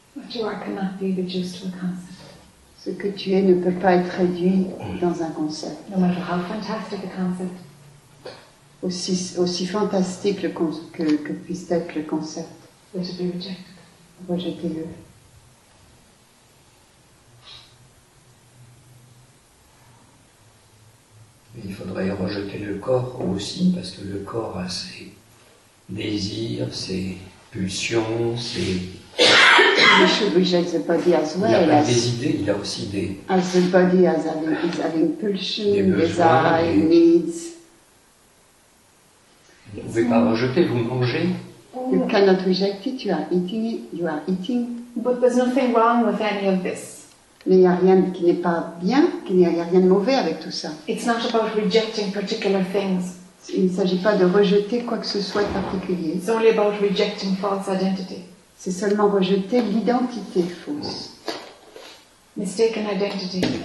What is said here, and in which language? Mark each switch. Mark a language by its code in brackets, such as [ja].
[en] You are cannot be reduced to a concept. [fr] Ce que tu es ne peut pas être réduit dans un concept. [en] No matter how fantastic the concept. [fr] Aussi fantastique que puisse être le concept. [en] Let it be rejected. [fr] Rejetez-le. Il faudrait rejeter le corps aussi, parce que le corps a ses désirs, ses pulsions, ses... [en] We should reject the body as well. [fr] Il n'y a pas des idées, il y a aussi des. [en] As the body as having pulsions, desires, needs. [fr] Vous ne pouvez pas rejeter, vous mangez. [en] You cannot reject it. You are eating. You are eating. But there's nothing wrong with any of this. [fr] Mais il n'y a rien qui n'est pas bien, qu'il n'y a rien de mauvais avec tout ça. [en] It's not about rejecting particular things. [fr] Il ne s'agit pas de rejeter quoi que ce soit de particulier. [en] It's only about rejecting false identity. [fr] C'est seulement rejeter l'identité fausse. [en] Mistaken identity.